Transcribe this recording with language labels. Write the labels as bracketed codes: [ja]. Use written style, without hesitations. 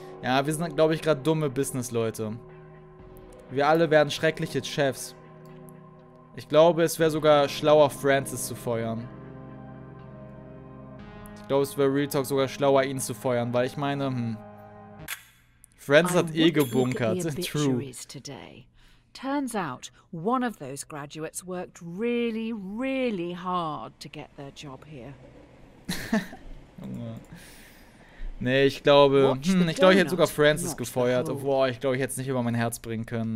[de] Ja, wir sind, glaube ich, gerade dumme Business-Leute. Wir alle werden schreckliche Chefs. Ich glaube, es wäre sogar schlauer, Francis zu feuern. Ich glaube, es wäre [en] Real Talk [de] sogar schlauer, ihn zu feuern, weil ich meine, Friends hat eh gebunkert. [en] True. Turns out, one of those graduates worked really, really hard to get their job here. [de] Nee, ich glaube, ich hätte sogar Francis gefeuert. Obwohl, ich glaube, ich hätte es nicht über mein Herz bringen können.